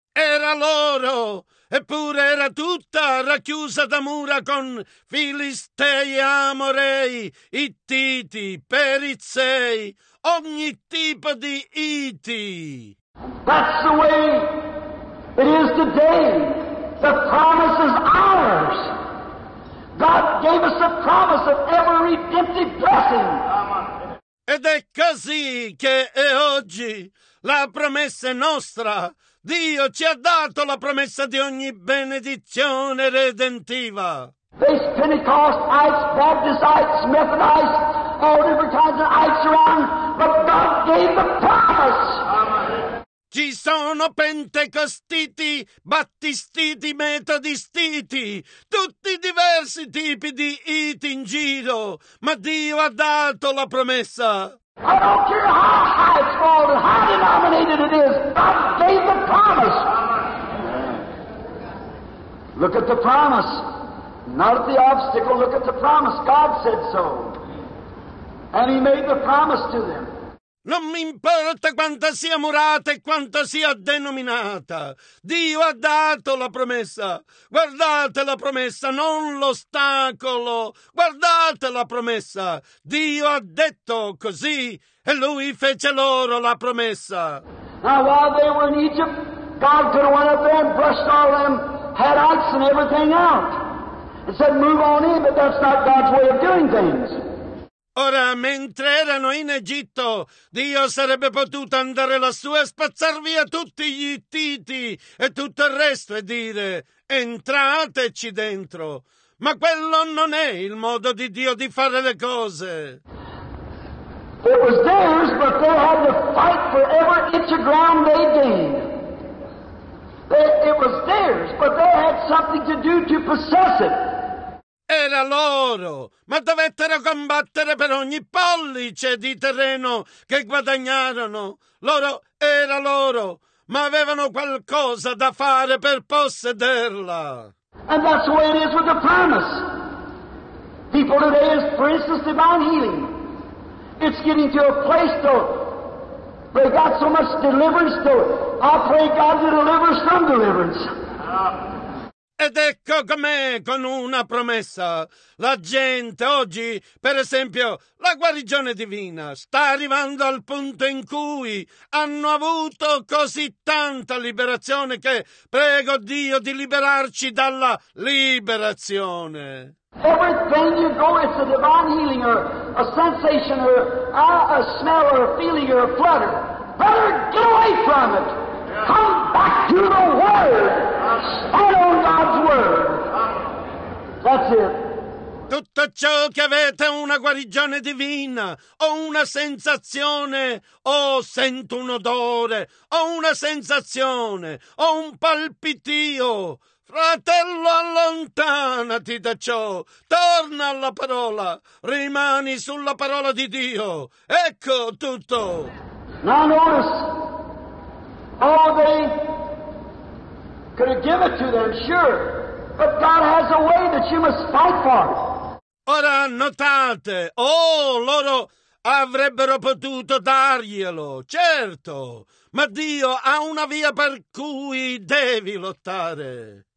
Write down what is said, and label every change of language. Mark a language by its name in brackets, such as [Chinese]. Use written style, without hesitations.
[Italian] Era loro, eppure era tutta racchiusa da mura con Filistei, Amorei, Ittiti, Perizzei, ogni tipo di Iti. [English] That's the way it is today. The promise is ours. God gave us the promise of every redemptive blessing. [Italian] Ed è così che è oggi. La promessa è nostra. Dio ci ha dato la promessa di ogni benedizione redentiva. [English] These Pentecostites, Baptistites, Methodists, all different kinds of ites around, but God gave the promise. [Italian] Ci sono pentecostiti, battistiti, metodistiti, tutti diversi tipi di iti in giro, ma Dio ha dato la promessa. [English] I don't care how high it's called and how denominated it is. God gave the promise. Look at the promise. Not at the obstacle, look at the promise. God said so. And he made the promise to them. [Italian] Non mi importa quanta sia murata e quanta sia denominata. Dio ha dato la promessa. Guardate la promessa, non l'ostacolo. Guardate la promessa. Dio ha detto così e lui fece loro la promessa. [English] Now while they were in Egypt, God could have went up there and brushed all them Hittites and everything out. He said, move on in, but that's not God's way of doing things. [Italian] Ora, mentre erano in Egitto, Dio sarebbe potuto andare lassù e spazzar via tutti gli ittiti e tutto il resto e dire, entrateci dentro. Ma quello non è il modo di Dio di fare le cose. [English] It was theirs, but they had to fight for every inch of ground they gained. It was theirs, but they had something to do to possess it. [Italian] Era loro, ma dovettero combattere per ogni pollice di terreno che guadagnarono. Loro, era loro, ma avevano qualcosa da fare per possederla. [English] And that's the way it is with the promise. People today, for instance, divine healing. It's getting to a place to they got so much deliverance to operate God to deliver some deliverance. [Italian] Ed ecco com'è, con una promessa. La gente oggi, per esempio, la guarigione divina, sta arrivando al punto in cui hanno avuto così tanta liberazione che prego Dio di liberarci dalla liberazione. [English] Everything you go, it's a divine healing or a sensation or a smell or a feeling or a flutter. Better get away from it. Come back to the Word. Stand on God's Word. That's it. [Italian] Tutto ciò che avete una guarigione divina, o una sensazione, o sento un odore, o una sensazione, o un palpitio. Fratello, allontanati da ciò. Torna alla parola. Rimani sulla parola di Dio. Ecco tutto. [English] Now notice. Oh, they could have given it to them, sure. But God has a way that you must fight for. [Italian] Ora notate. Oh, loro avrebbero potuto darglielo, certo. Ma Dio ha una via per cui devi lottare.